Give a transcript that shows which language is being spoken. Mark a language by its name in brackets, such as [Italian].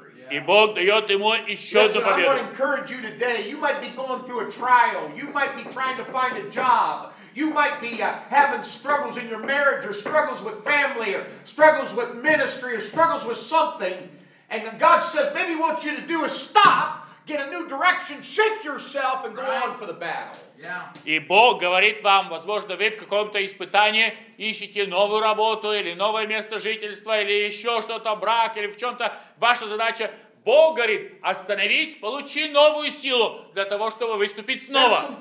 [Russian] И Бог дает ему еще одну победу. [English] You might be having struggles in your marriage, or struggles with family, or struggles with ministry, or struggles with something. And God says, maybe he wants you to do a stop, get a new direction, shake yourself, and go on for the battle. Yeah. [Russian] И Бог говорит вам, возможно, вы в каком-то испытании ищете новую работу, или новое место жительства, или еще что-то, брак, или в чем-то ваша задача. Бог говорит, остановись, получи новую силу для того, чтобы выступить снова.